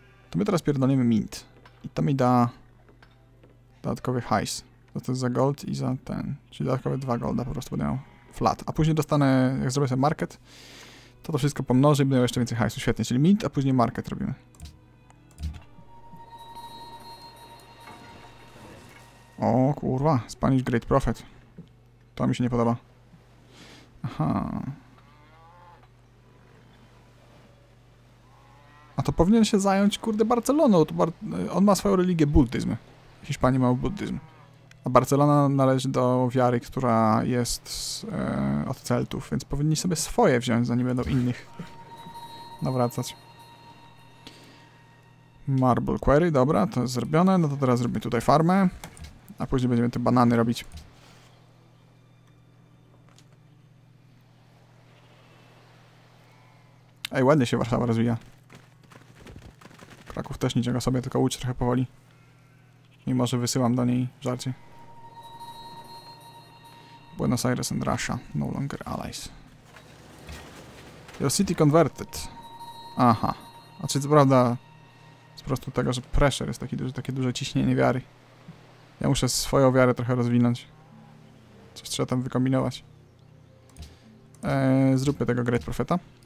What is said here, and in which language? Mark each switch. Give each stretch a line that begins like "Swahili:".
Polish: To my teraz pierdolimy mint. I to mi da dodatkowy hajs. To jest za gold i za ten. Czyli dodatkowe 2 golda po prostu będę miał flat. A później dostanę, jak zrobię sobie market, to wszystko pomnożę i będę miał jeszcze więcej hajsu. Świetnie, czyli mint, a później market robimy. O kurwa, Spanish Great Prophet. To mi się nie podoba. Aha. A to powinien się zająć, kurde, Barceloną. On ma swoją religię buddyzm. Hiszpanie mają buddyzm. A Barcelona należy do wiary, która jest od Celtów, więc powinni sobie swoje wziąć, zanim będą innych nawracać. Marble Quarry, dobra, to jest zrobione. No to teraz zrobimy tutaj farmę. A później będziemy te banany robić. Ej, ładnie się Warszawa rozwija. Kraków też niczego sobie, tylko Łódź trochę powoli. Mimo, że wysyłam do niej żarcie.
English: Buenos Aires and Russia, no longer allies. Your city converted. Aha.
Polish: A czy to prawda, z prostu tego, że pressure jest takie duże ciśnienie wiary. Ja muszę swoją wiarę trochę rozwinąć. Coś trzeba tam wykombinować. Zróbmy tego Great Propheta.